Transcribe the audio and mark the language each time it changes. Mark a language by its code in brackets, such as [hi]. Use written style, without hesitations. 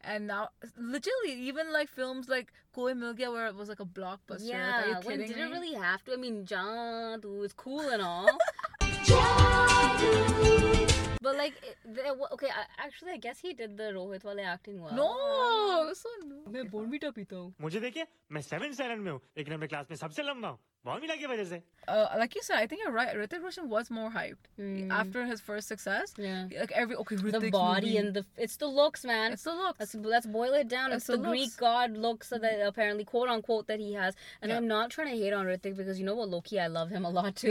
[en] And now, literally, even like films like Koi Mil Gaya, where it was like a blockbuster. Yeah. Like, are you kidding me? Didn't really have to. I mean, Jaadu is cool and all. But like, actually, I guess he did the Rohit [hi] wale [en] acting well. No, so no. [hi] मैं Bournvita पीता हूँ. मुझे देखिए, मैं 7th standard में हूँ, लेकिन मैं क्लास में सबसे लंबा हूँ. बोर्नविटा की वजह से. [en] Like you said, I think you're right. Hrithik Roshan was more hyped after his first success. Yeah. Like every Hrithik's the body movie. And the it's the looks, man. It's the looks. Let's boil it down. It's the Greek god looks that apparently quote unquote that he has. And I'm not trying to hate on Hrithik because you know what, Loki, I love him a lot too.